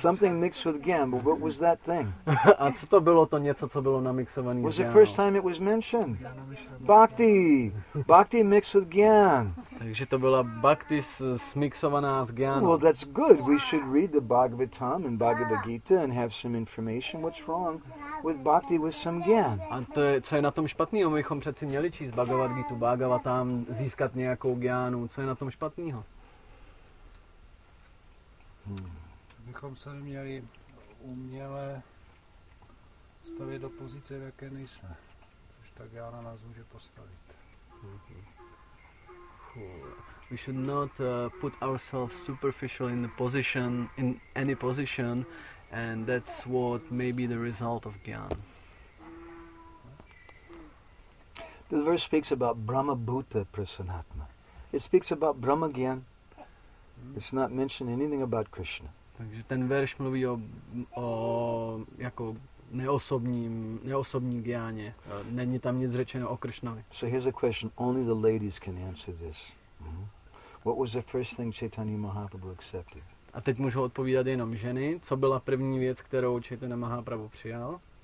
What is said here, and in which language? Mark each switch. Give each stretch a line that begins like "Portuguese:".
English: Something mixed with gyan, but what was that thing?
Czech: A co to bylo to něco, co bylo namixované?
English: Was the first time it was mentioned? Bhakti. Bhakti mixed with gyan.
Czech: Takže to byla bhakti smixovaná s gyanem.
English: Well, that's good. We should read the Bhagavatam and Bhagavad Gita and have some information. What's wrong with bhakti with some gyan?
Czech: A to je, co je na tom špatného? My bychom přeci měli číst Bhagavad Gita, Bhagavatam, získat nějakou gyanu. Co je na tom špatného? Bychom se měli uměle stavět do pozice, v jaké nejsme, což tak já na nás může postavit.
English: We should not put ourselves superficial in the position, in any position, and that's what may be the result of gyan. The verse speaks about Brahma Bhuta Prasanatma. It speaks about Brahma gyan. It's not mentioned anything about Krishna.
Czech: Takže ten verš mluví o jako neosobním gyáně. Není tam nic řečeno o Krishnovi.
English: So here's a question only the ladies can answer this. Mm-hmm. What was the first thing Chaitanya Mahaprabhu accepted?
Czech: A teď můžou odpovídat jenom ženy. Co byla první věc, kterou Chaitanya Mahaprabhu přijal?